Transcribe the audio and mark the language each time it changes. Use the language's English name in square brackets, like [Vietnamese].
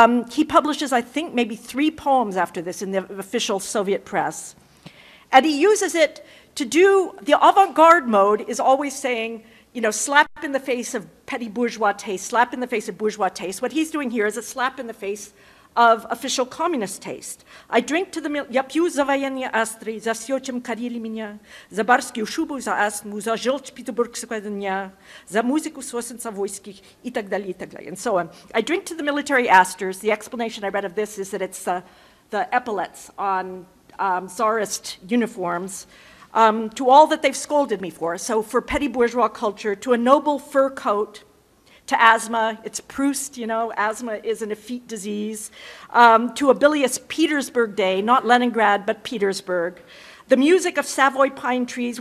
[English] He publishes, I think, maybe three poems after this in the official Soviet press. And he uses it to do, the avant-garde mode is always saying, you know, slap in the face of petty bourgeois taste, slap in the face of bourgeois taste. What he's doing here is a slap in the face of official communist taste. I drink to the milk, [Russian] я пью за военные астры, за все, чем корили меня, за барскую шубу, за астму, за желчь петербургского дня, за музыку сосенца войских, и так далее, и так далее, [English] and so on. I drink to the military asters. The explanation I read of this is that it's the epaulets on Tsarist uniforms. To all that they've scolded me for petty bourgeois culture, to a noble fur coat, to asthma, it's Proust, you know, asthma is an effete disease, to a bilious Petersburg day, not Leningrad, but Petersburg, the music of Savoy pine trees.